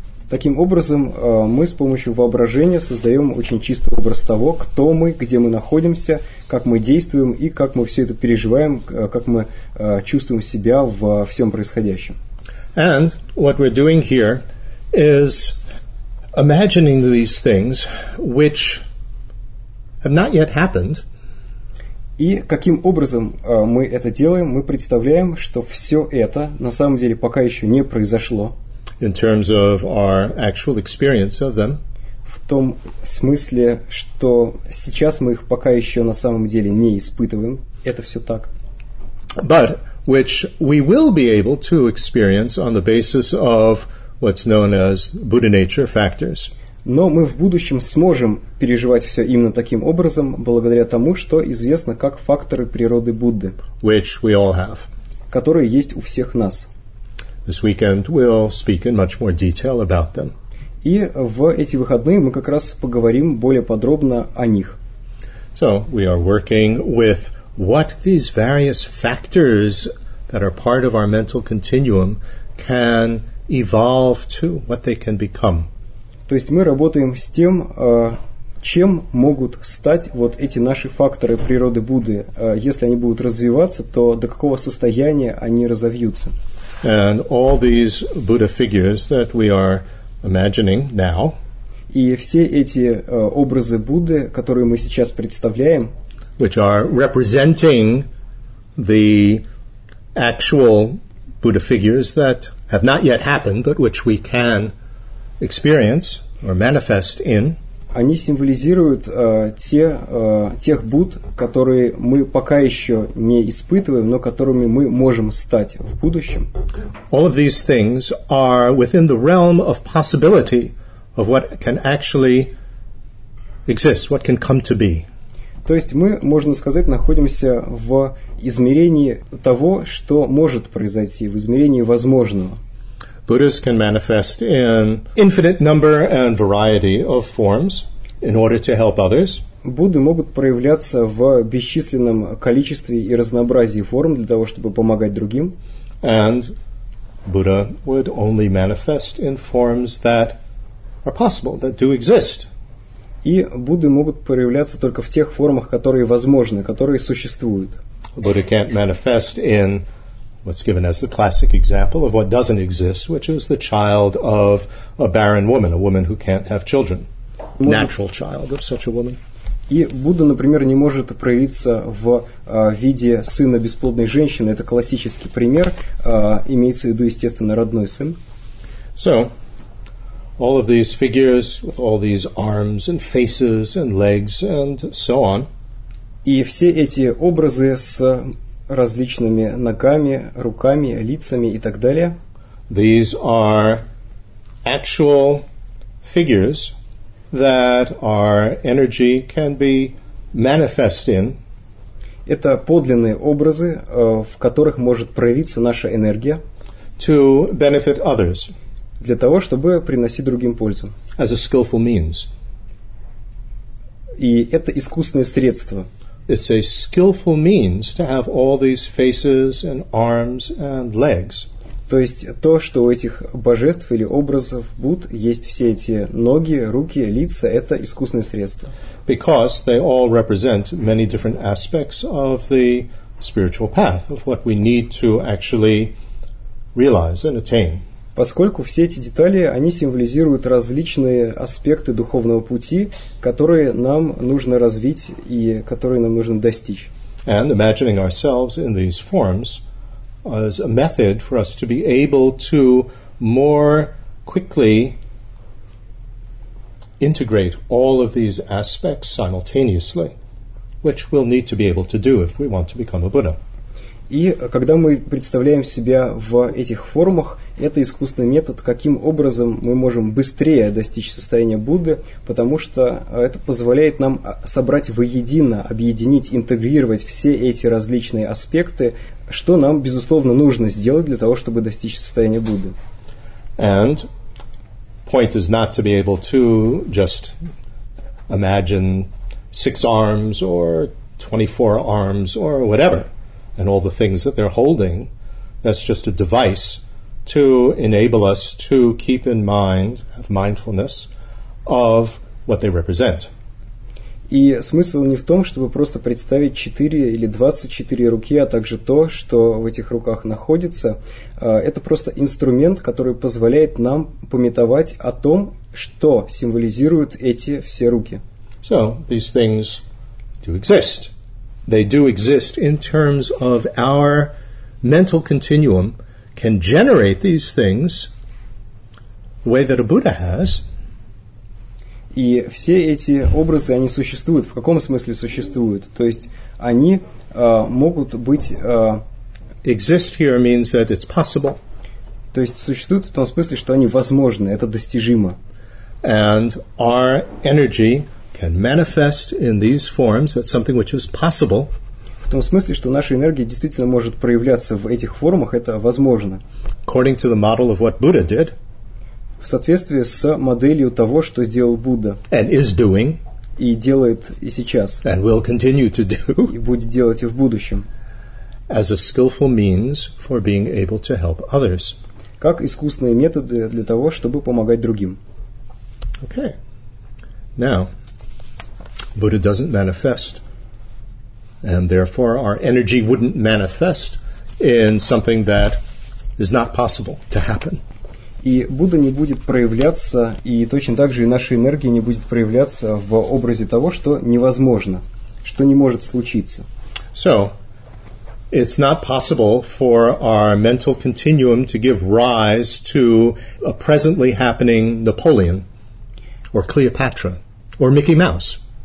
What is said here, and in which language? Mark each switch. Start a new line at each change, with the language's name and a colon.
Russian: Таким образом, мы с помощью воображения создаем очень чистый образ того, кто мы, где мы находимся, как мы действуем и как мы все это переживаем, как мы чувствуем себя во всем происходящем.
English: And what we're doing here is imagining these things which have not yet happened.
Russian: И каким образом мы это делаем? Мы представляем, что все это на самом деле пока еще не произошло.
English: In terms of our actual experience of them.
Russian: В том смысле, что сейчас мы их пока еще на самом деле не испытываем. Это все так.
English: But which we will be able to experience on the basis of what's known as Buddha nature factors.
Russian: Но мы в будущем сможем переживать все именно таким образом, благодаря тому, что известно как факторы природы Будды.
English: Which we all have.
Russian: Которые есть у всех нас.
English: This weekend we'll speak in much more detail about them.
Russian: И в эти выходные мы как раз поговорим более подробно о них.
English: So we are working with what these various factors that are part of our mental continuum can evolve to, what they can become.
Russian: То есть мы работаем с тем, чем могут стать вот эти наши факторы природы Будды, если они будут развиваться, то до какого состояния они разовьются.
English: And all these Buddha figures that we are imagining now.
Russian: И все эти образы Будды, которые мы сейчас представляем,
English: which are representing the actual Buddha figures that have not yet happened, but which we can experience or manifest in.
Russian: Они символизируют тех Будд, которые мы пока еще не испытываем, но которыми мы можем стать в будущем.
English: All of these things are within the realm of possibility of what can actually exist, what can come to be.
Russian: То есть мы, можно сказать, находимся в измерении того, что может произойти, в измерении возможного.
English: Buddhas can manifest in infinite number and variety of forms in order to help others.
Russian: Будды могут проявляться в бесчисленном количестве и разнообразии форм для того, чтобы помогать другим.
English: And Buddha would only manifest in forms that are possible, that do exist.
Russian: И Будды могут проявляться только в тех формах, которые возможны, которые существуют.
English: Buddha can't manifest in what's given as the classic example of what doesn't exist, which is the child of a barren woman, a woman who can't have children, natural child of such a woman.
Russian: И Будда, например, не может проявиться в виде сына бесплодной женщины. Это классический пример. Имеется в виду, естественно, родной сын.
English: So, all of these figures with all these arms and faces and legs and so on.
Russian: И все эти образы с различными ногами, руками, лицами и так далее.
English: These are actual figures that our energy can be manifest in.
Russian: Это подлинные образы, в которых может проявиться наша энергия.
English: To benefit others.
Russian: Для того, чтобы приносить другим пользу.
English: As a skillful means.
Russian: И это искусственное средство.
English: It's a skillful means to have all these faces and arms and legs.
Russian: То есть то, что у этих божеств или образов Будд есть все эти ноги, руки, лица, это искусственное средство.
English: Because they all represent many different aspects of the spiritual path, of what we need to actually realize and attain.
Russian: Поскольку все эти детали, они символизируют различные аспекты духовного пути, которые нам нужно развить и которые нам нужно достичь.
English: And imagining ourselves in these forms as a method for us to be able to more quickly integrate all of these aspects simultaneously, which we'll need to be able to do if we want to become a Buddha.
Russian: И когда мы представляем себя в этих формах, это искусственный метод, каким образом мы можем быстрее достичь состояния Будды, потому что это позволяет нам собрать воедино, объединить, интегрировать все эти различные аспекты, что нам, безусловно, нужно сделать для того, чтобы достичь состояния Будды.
English: And point is not to be able to just imagine six arms or 24 arms or whatever. And all the things that they're holding, that's just a device to enable us to keep in mind, have mindfulness of what they represent.
Russian: И смысл не в том, чтобы просто представить 4 или 24 руки, а также то, что в этих руках находится. Это просто инструмент, который позволяет нам памятовать о том, что символизируют эти все руки.
English: So, these things do exist. They do exist in terms of our mental continuum can generate these things the way that a Buddha has.
Russian: И все эти образы, они существуют. В каком смысле существуют? То есть они могут быть...
English: Exist here means that it's possible.
Russian: То есть существуют в том смысле, что они возможны, это достижимо.
English: And our energy can manifest in these forms, that's something which is possible.
Russian: В том смысле, что наша энергия действительно может проявляться в этих формах, это возможно.
English: According to the model of what Buddha did.
Russian: В соответствии с моделью того, что сделал Будда.
English: And is doing.
Russian: И делает и сейчас.
English: And will continue to do.
Russian: И будет делать и в будущем.
English: As a skillful means for being able to help others.
Russian: Как искусственные методы для того, чтобы помогать другим.
English: Okay. Now, Buddha doesn't manifest, and therefore our energy wouldn't manifest in something that is not possible to happen.
Russian: И Будда не будет проявляться, и точно так же и наша энергия не будет проявляться в образе того, что невозможно, что не может случиться.
English: So, it's not possible for our mental continuum to give rise to a presently happening Napoleon, or Cleopatra, or Mickey Mouse.